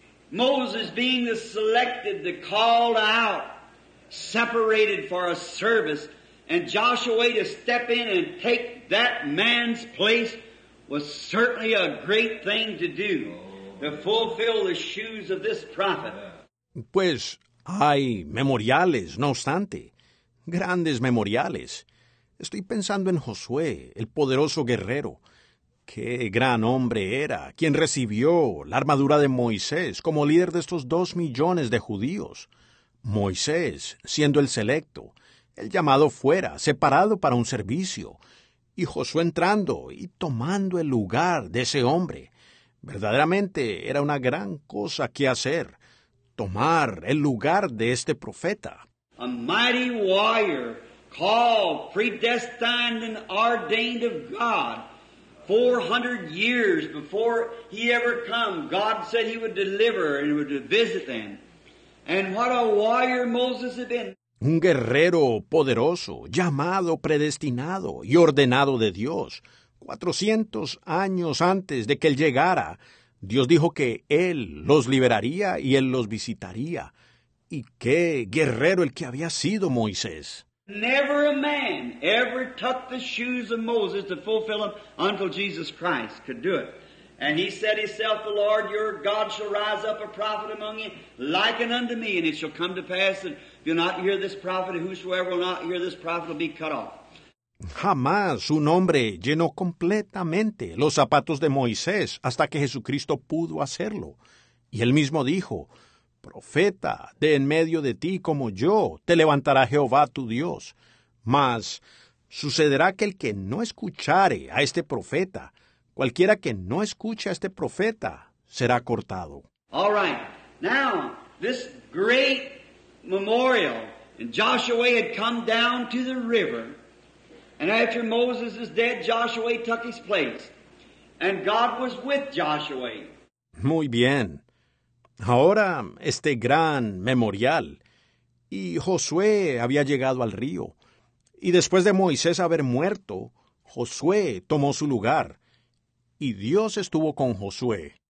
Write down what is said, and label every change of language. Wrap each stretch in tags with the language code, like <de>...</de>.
<en>Moses being the selected, the called out, separated for a service, and Joshua to step in and take that man's place was certainly a great thing to do, to fulfill the shoes of this prophet.</en> <es>Pues hay memoriales, no obstante. Grandes memoriales. Estoy pensando en Josué, el poderoso guerrero. ¡Qué gran hombre era! Quien recibió la armadura de Moisés como líder de estos 2 millones de judíos. Moisés, siendo el selecto, el llamado fuera, separado para un servicio. Y Josué entrando y tomando el lugar de ese hombre. Verdaderamente era una gran cosa que hacer, tomar el lugar de este profeta.</es> <en>A mighty warrior, called, predestined and ordained of God. 400 years before he ever come, God said he would deliver and he would visit them. And what a warrior Moses had been.</en> <es>Un guerrero poderoso, llamado, predestinado y ordenado de Dios. 400 años antes de que él llegara, Dios dijo que él los liberaría y él los visitaría. Y qué guerrero el que había sido Moisés.</es> <en>Never a man ever took the shoes of Moses to fulfill them until Jesus Christ could do it. And he said himself, the Lord your God shall rise up a prophet among you, likened unto me, and it shall come to pass that if you'll not hear this prophet, whosoever will not hear this prophet will be cut off.</en> <es>Jamás un hombre llenó completamente los zapatos de Moisés hasta que Jesucristo pudo hacerlo. Y él mismo dijo, profeta, de en medio de ti como yo, te levantará Jehová tu Dios. Mas sucederá que el que no escuchare a este profeta, cualquiera que no escuche a este profeta, será cortado.</es> <en>All right. Now, this great memorial, and Joshua had come down to the river, and after Moses is dead, Joshua took his place, and God was with Joshua.</en> <es>Muy bien. Ahora, este gran memorial, y Josué había llegado al río, y después de Moisés haber muerto, Josué tomó su lugar, y Dios estuvo con Josué.</es>